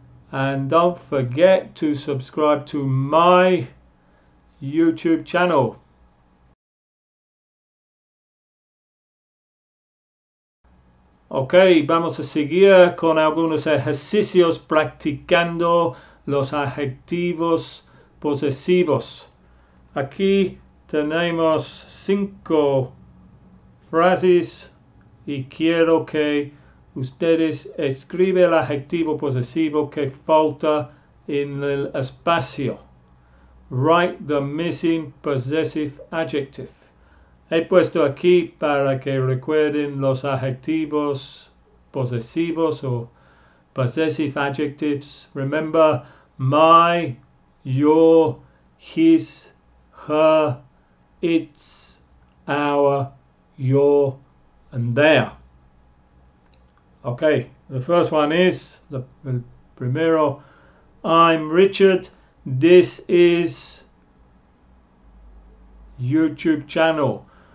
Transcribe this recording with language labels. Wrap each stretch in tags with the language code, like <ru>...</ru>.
<en>And don't forget to subscribe to my YouTube channel.</en> <es>Ok, vamos a seguir con algunos ejercicios practicando los adjetivos posesivos. Aquí tenemos 5 frases y quiero que ustedes escriban el adjetivo posesivo que falta en el espacio.</es> <en>Write the missing possessive adjective.</en> <es>He puesto aquí para que recuerden los adjetivos posesivos o</es> <en>possessive adjectives. Remember, my, your, his, her, its, our, your, and their. Okay, the first one is,</en> <es>el primero,</es> <en>I'm Richard, this is YouTube channel.</en>